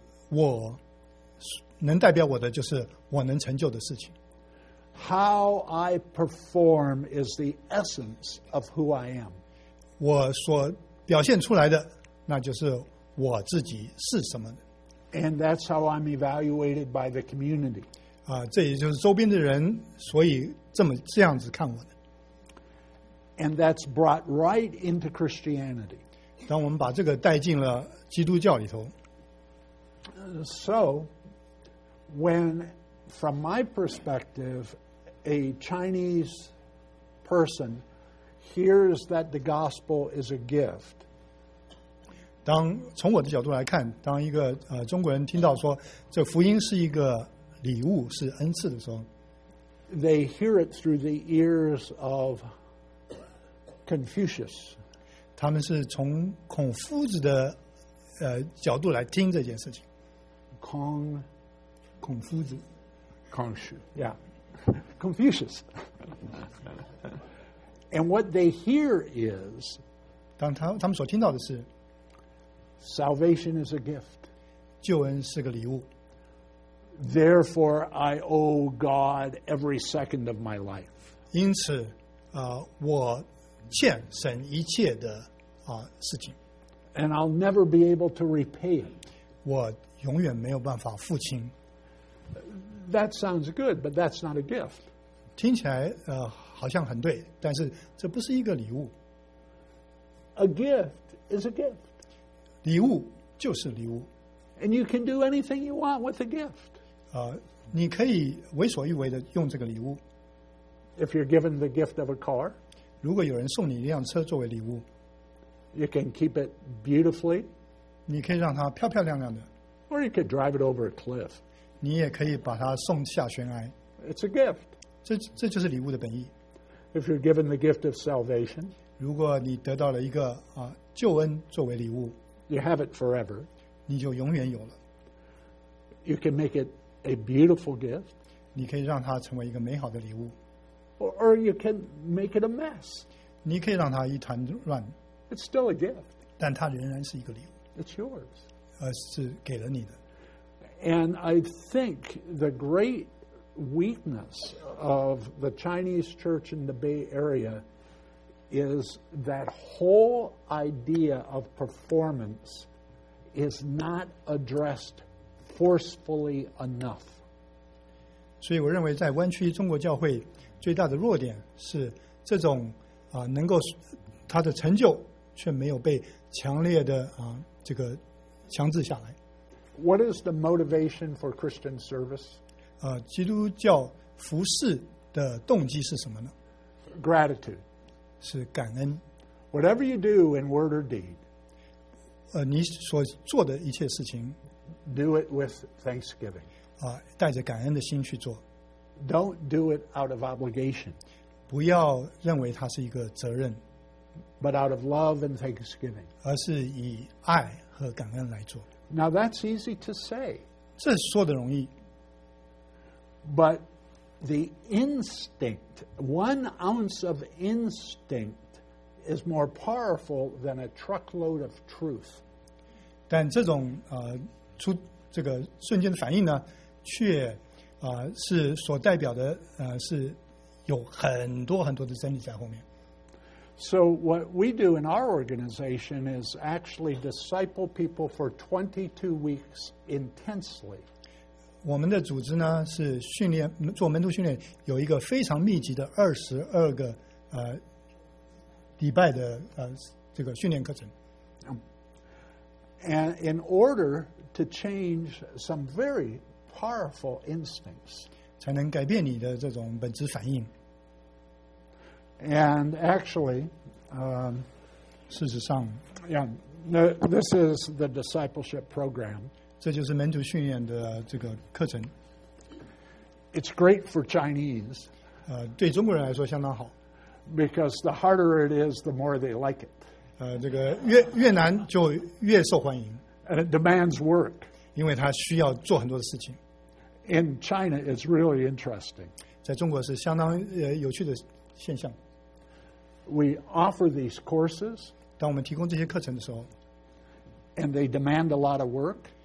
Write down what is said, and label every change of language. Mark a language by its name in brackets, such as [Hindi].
[Chinese] 我能代表我的就是我能成就的事情。 [English] How I perform is the essence of who I am. [Chinese] 我所表现出来的那就是我自己是什么。 [English] And that's how I'm evaluated by the community. [Chinese] 这也就是周边的人所以这样子看我的。 [English] And that's brought right into Christianity. [Chinese] 当我们把这个带进了基督教里头。 [English] So, when, from my perspective, a Chinese person hears that the gospel is a gift, [Chinese] 当从我的角度来看，当一个中国人听到说这福音是一个礼物，是恩赐的时候， [English] they hear it through the ears of Confucius. [Chinese] 他们是从孔夫子的角度来听这件事情。孔夫子。 [English] 孔夫子。Yeah. Confucius. And what they hear is, [Chinese] 当他们所听到的是 [English] salvation is a gift. [Chinese] 救恩是个礼物。 [English] Therefore, I owe God every second of my life. [Chinese] 因此我欠神一切的事情。 [English] And I'll never be able to repay it. [Chinese] 我永远没有办法付清。 [English] That sounds good, but that's not a gift. [Chinese] 听起来好像很对，但是这不是一个礼物。 [English] A gift is a gift. [Chinese] 礼物就是礼物。 [English] And you can do anything you want with a gift. [Chinese] 你可以为所欲为的用这个礼物。 [English] If you're given the gift of a car, [Chinese] 如果有人送你一辆车作为礼物， [English] you can keep it beautifully, [Chinese] 你可以让它漂漂亮亮的， [English] or you could drive it over a cliff, [Chinese] 你也可以把它送下悬崖。 [English] It's a gift. [Chinese] 这就是礼物的本意。 [English] If you're given the gift of salvation, [Chinese] 如果你得到了一个救恩作为礼物， [English] you have it forever, [Chinese] 你就永远有了。 [English] You can make it a beautiful gift, [Chinese] 你可以让它成为一个美好的礼物。 [English] Or you can make it a mess. [Chinese] 你可以让它一团乱。 [English] It's still a gift. [Chinese] 但它仍然是一个礼物。 [English] It's yours. [Chinese] 是给了你的。 [English] And I think the great weakness of the Chinese church in the Bay Area is that whole idea of performance is not addressed forcefully enough. [Chinese] 所以我认为在湾区中国教会最大的弱点是这种能够他的成就却没有被强烈的这个强制下来。 [English] What is the motivation for Christian service? [Chinese] 基督教服事的动机是什么呢？ [English] Gratitude. [Chinese] 是感恩。 [English] Whatever you do in word or deed, [Chinese] 你所做的一切事情， [English] do it with thanksgiving. [Chinese] 带着感恩的心去做。 [English] Don't do it out of obligation. [Chinese] 不要认为它是一个责任。 [English] But out of love and thanksgiving. [Chinese] 而是以爱和感恩来做。 [English] Now that's easy to say. [Chinese] 这说的容易。 [English] But the instinct, 1 ounce of instinct is more powerful than a truckload of truth. [Chinese] 但这种这个瞬间的反应呢却是所代表的是有很多很多的真理在后面。 [English] So what we do in our organization is actually disciple people for 22 weeks intensely. [Chinese] 我们的组织呢是训练做门徒训练有一个非常密集的22个礼拜的这个训练课程。 [English] And in order to change some very powerful instincts, [Chinese] 才能改变你的这种本质反应。 [English] And actually, [Chinese] 事实上 [English] yeah, this is the discipleship program. [Chinese] 这就是门徒训练的这个课程。 [English] It's great for Chinese. [Chinese] 对中国人来说相当好。 [English] Because the harder it is, the more they like it. [Chinese] 这个越难就越受欢迎。 [English] And it demands work. [Chinese] 因为它需要做很多的事情。 [English] In China, it's really interesting. [Chinese] 在中国是相当有趣的现象。 [English] We offer these courses. [Chinese] 当我们提供这些课程的时候。 [English] And they demand a lot of work.